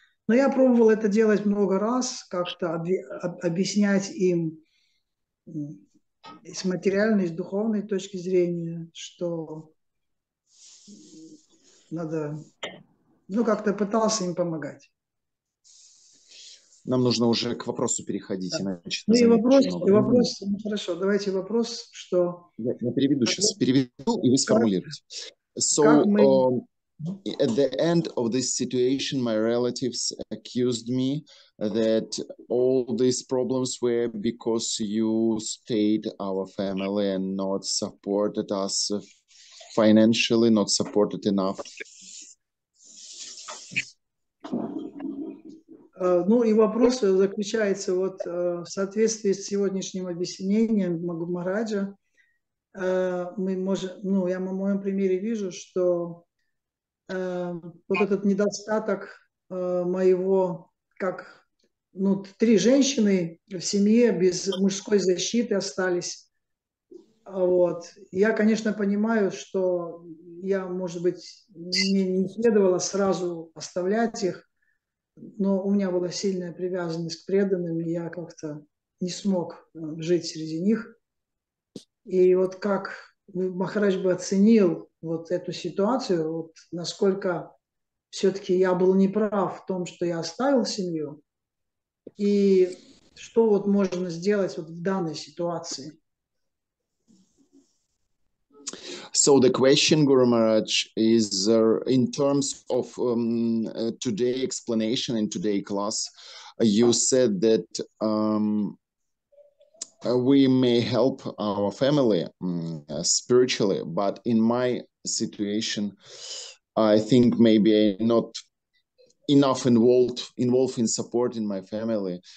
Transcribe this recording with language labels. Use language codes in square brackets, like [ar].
[ru] Но я пробовал это делать много раз, как-то объяснять им с материальной, с духовной точки зрения, что надо... Ну, как-то пытался им помогать. Нам нужно уже к вопросу переходить, иначе ну, это займет очень много и вопрос, времени. Ну, хорошо, давайте вопрос, что... Я переведу сейчас, переведу, и вы сформулируете. [en] So, [ru] как мы... [en] at the end of this situation, my relatives accused me that all these problems were because you stayed our family and not supported us financially, not supported enough. [ru] Ну и вопрос заключается вот в соответствии с сегодняшним объяснением Магумараджа. Мы можем, ну я на моем примере вижу, что вот этот недостаток моего, как ну три женщины в семье без мужской защиты остались. Вот. Я, конечно, понимаю, что я, может быть, не следовало сразу оставлять их. Но у меня была сильная привязанность к преданным, и я как-то не смог жить среди них. И вот как Махарадж бы оценил вот эту ситуацию, вот насколько все-таки я был неправ в том, что я оставил семью, и что вот можно сделать вот в данной ситуации? [en] So the question, Guru Maharaj, is in terms of today's explanation in today's class, you said that we may help our family spiritually, but in my situation, I think maybe not enough involved in supporting my family.